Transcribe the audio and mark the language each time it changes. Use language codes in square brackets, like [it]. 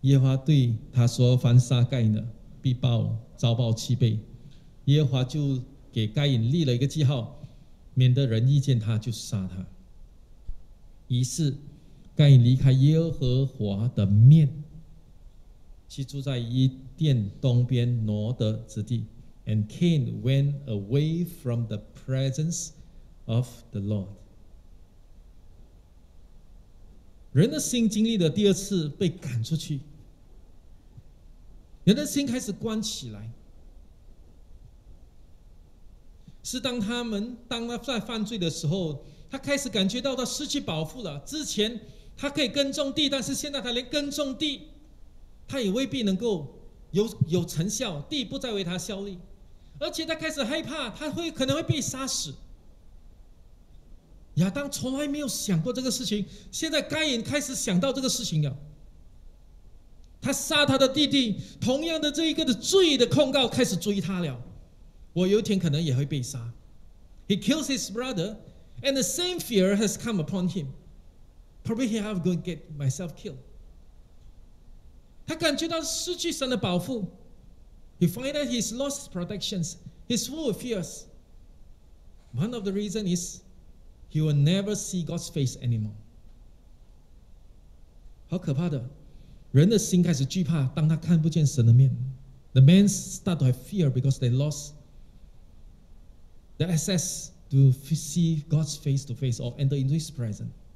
[zh] 耶和华对他说：“凡杀该隐的，必报遭报七倍。” 耶和华就给该隐立了一个记号，免得人遇见他就杀他。于是该隐离开耶和华的面，去住在伊甸东边挪得之地。 [en] And Cain went away from the presence of the Lord. [zh] 人的心经历的第二次被赶出去，人的心开始关起来，是当他们当他在犯罪的时候，他开始感觉到他失去保护了。之前他可以耕种地，但是现在他连耕种地他也未必能够 有成效，地不再为他效力，而且他开始害怕，他会可能会被杀死。亚当从来没有想过这个事情，现在该隐开始想到这个事情了。他杀他的弟弟，同样的这一个的罪的控告开始追他了，我有一天可能也会被杀。 [en] He kills his brother and the same fear has come upon him. Probably he have going to get myself killed. [zh] 他感觉到失去神的保护。 [en] He find that he's lost protections. He's full of fears. One of the reasons is he will never see God's face anymore. [zh] 好可怕的，人的心开始惧怕，当他看不见神的面。 [en] The men start to have fear because they lost the access to see God's face to face or enter into his presence.